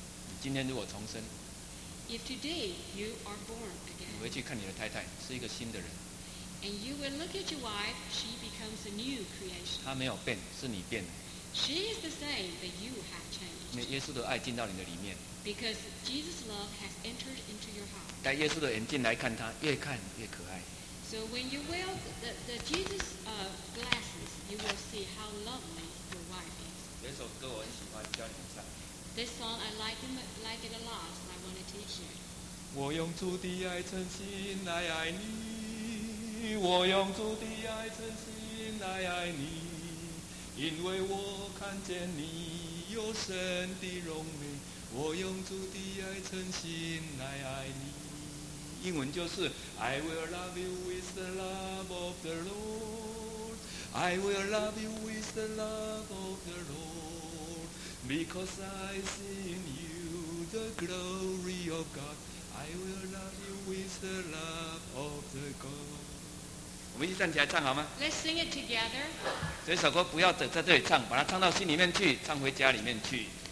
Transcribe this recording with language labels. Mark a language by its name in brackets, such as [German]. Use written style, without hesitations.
[Chinese] 你今天如果重生。 [English] If today you are born again, [Chinese] 你回去看你的太太，是一个新的人。 [English] And you will look at your wife, she becomes a new creation. [Chinese] 她没有变，是你变了。 [English] She is the same, but you have changed. [Chinese] 因为耶稣的爱进到你的里面。 [English] Because Jesus' love has entered into your heart. [Chinese] 带耶稣的眼镜来看她，越看越可爱。 [English] So when you wear the Jesus glasses, you will see how lovely your wife is. [Chinese] 有一首歌我很喜欢，教你们唱。 [English] This song I like it a lot. I want to teach you. [Chinese] 我用主的爱诚心来爱你，我用主的爱诚心来爱你，因为我看见你有神的荣美。我用主的爱诚心来爱你。英文就是 [English] I will love you with the love of the Lord. I will love you with the love of the Lord. Because I see in you the glory of God, I will love you with the love of the God. [Chinese] 我们一起站起来唱好吗 [English] ？Let's sing it together. [Chinese] 这首歌不要在这里唱，把它唱到心里面去，唱回家里面去。